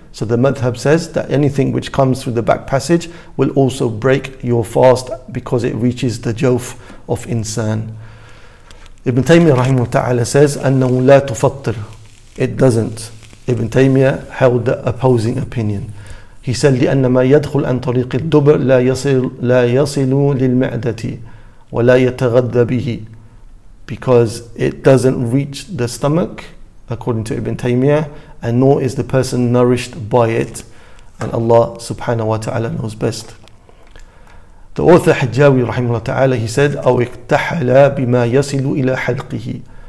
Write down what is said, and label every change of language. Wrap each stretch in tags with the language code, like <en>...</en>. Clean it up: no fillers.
<en>So the madhab says that anything which comes through the back passage will also break your fast because it reaches the jawf of insan. Ibn Taymiyyah rahimahu ta'ala says,</en> <ar>أَنَّهُ لَا تُفَطِّرْ.</ar> <en>It doesn't. Ibn Taymiyyah held the opposing opinion. He said,</en> <ar>لِأَنَّ مَا يَدْخُلْ أَنْ طَرِيقِ الدُّبْرِ لَا يَصِلُ لِلْمَعْدَةِ وَلَا يَتَغَذَّ بِهِ.</ar> <en>Because it doesn't reach the stomach, according to Ibn Taymiyyah, and nor is the person nourished by it. And Allah subhanahu wa ta'ala knows best. The author Hajjawi rahimahullah ta'ala, he said,</en> <ar>أَوْ اِقْتَحَلَ بِمَا يَصِلُ إِلَى حَلْقِهِ.</ar>